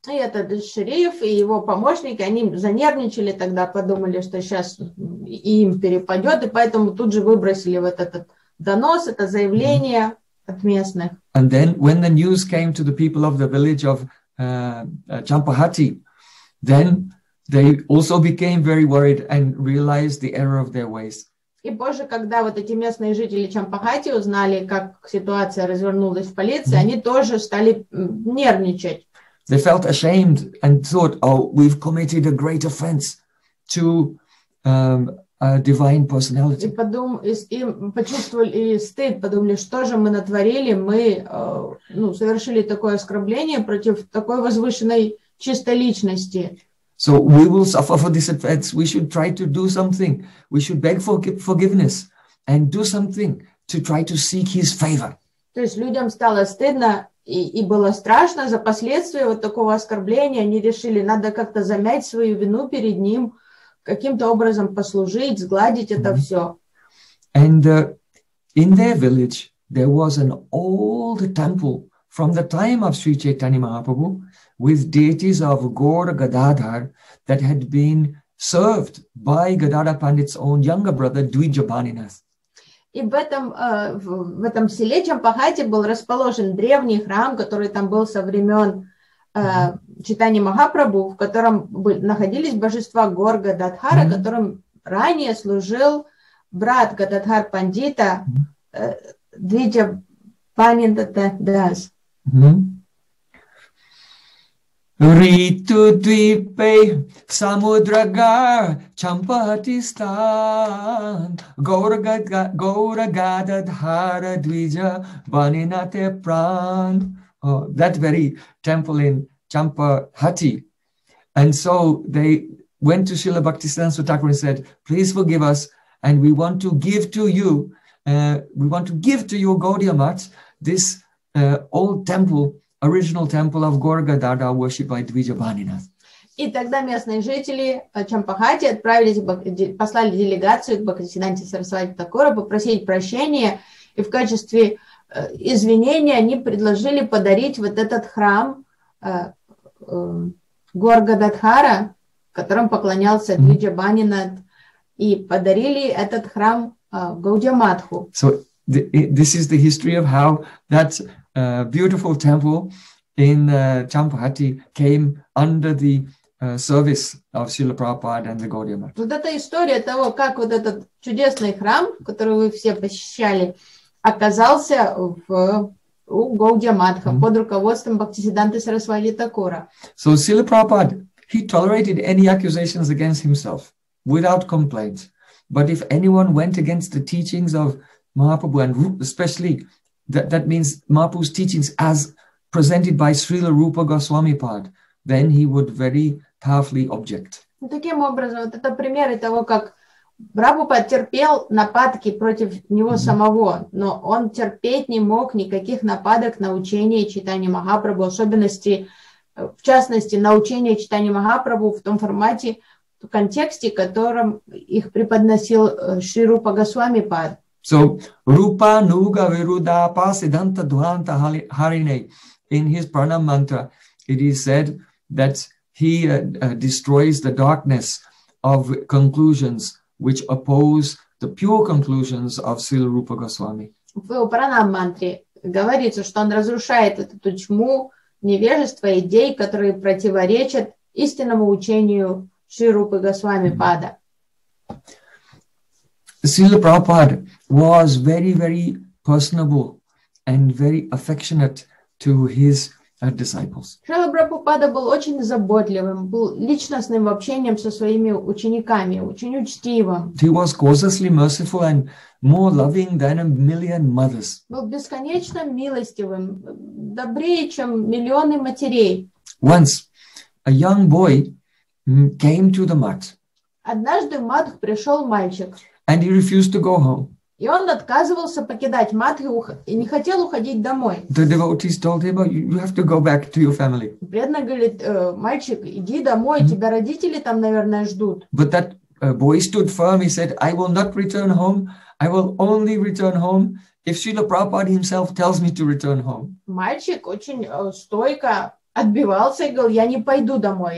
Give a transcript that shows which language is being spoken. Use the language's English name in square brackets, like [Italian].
[Russian] И этот шериф и его помощники, они занервничали тогда, подумали, что сейчас им перепадет, и поэтому тут же выбросили вот этот донос, это заявление. [English] And then when the news came to the people of the village of Champahati, then they also became very worried and realized the error of their ways. [Russian] И позже, когда вот эти местные жители Чампахати узнали, как ситуация развернулась в полиции, они тоже стали нервничать. [English] They felt ashamed and thought, oh, we've committed a great offense to a divine personality. [Russian] И почувствовали стыд, подумали, что же мы натворили, мы совершили такое оскорбление против такой возвышенной чистой личности. [English] So we will suffer for this offense. We should try to do something. We should beg for forgiveness and do something to try to seek his favor. [Russian] То есть людям стало стыдно и было страшно за последствия вот такого оскорбления. Они решили, надо как-то замять свою вину перед ним, каким-то образом послужить, сгладить это все. [English] And in their village, there was an old temple from the time of Sri Chaitanya Mahaprabhu with deities of Gaura Gadadhar that had been served by Gadadhar Pandit's own younger brother, Dvijabhaninath. [Russian] И в этом селе Чампахати был расположен древний храм, который там был со времен Чайтаньи Махапрабху, в котором находились божества Гор Гададхара, которым ранее служил брат Гададхар Пандита Двиджа Панинда Дас. [Sanskrit] Риту двипей самудрага чампатистан горагада дхара движа ванинате пран. [English] Oh, that very temple in Champahati. And so they went to Srila Bhaktisiddhanta Thakur and said, please forgive us, and we want to give to you, Gaudiya Math, this old temple, original temple of Gorgadada, worshipped by Dvija Bhaninath. [Russian] И тогда местные жители Чампахати послали делегацию к Бхактисиддханте Сарасвати Такура попросить прощения, и в качестве извинения они предложили подарить вот этот храм Горгададхара, которым поклонялся Двиджа Банинат, и подарили этот храм Гаудиаматху. [English] So this is the history of how that beautiful temple in Champahati came under the service of Srila Prabhupada and the Gaudiamath. [Russian] Вот это история того, как вот этот чудесный храм, который вы все посещали, оказался в у Гаудиаматха под руководством Бхактисиддханты Сарасвати Такура. [English] So Srila Prabhupada, he tolerated any accusations against himself without complaints. But if anyone went against the teachings of Mahaprabhu, and especially that means Mahaprabhu's teachings as presented by Srila Rupa Goswami Pad, then he would very powerfully object. [Russian] Таким образом, вот это примеры того, как Прабхупад терпел нападки против него самого, но он терпеть не мог никаких нападок на учение Чайтаньи Махапрабху, особенности, в частности, на учение Чайтаньи Махапрабху в том формате, в контексте, которым их преподносил Шри Рупа Госвами Пад. [Sanskrit] So, Rupa Nuga Viruda Pasidanta Dhuanta Harine. [English] In his Pranam Mantra, it is said that he destroys the darkness of conclusions which oppose the pure conclusions of Srila Rupa Goswami. [Russian] В Пранам Мантре говорится, что он разрушает эту тьму невежества идей, которые противоречат истинному учению Шри Рупы Госвами Пада. [English] Srila Prabhupada was very, very personable and very affectionate to his disciples. [Russian] Шрила Прабхупада был очень заботливым, был личностным в общении со своими учениками, очень учтивым. [English] He was causelessly merciful and more loving than a million mothers. [Russian] Был бесконечно милостивым, добрее, чем миллионы матерей. [English] Once a young boy came to the mat. [Russian] Однажды в матх пришел мальчик. [English] And he refused to go home. [Russian] И он отказывался покидать матху и не хотел уходить домой. [English] The devotees told him, you have to go back to your family. [Russian] Преданно говорит, мальчик, иди домой, тебя родители там, наверное, ждут. [English] But that boy stood firm. He said, I will not return home. I will only return home if Srila Prabhupada himself tells me to return home. [Russian] Мальчик очень стойко отбивался и говорил, я не пойду домой.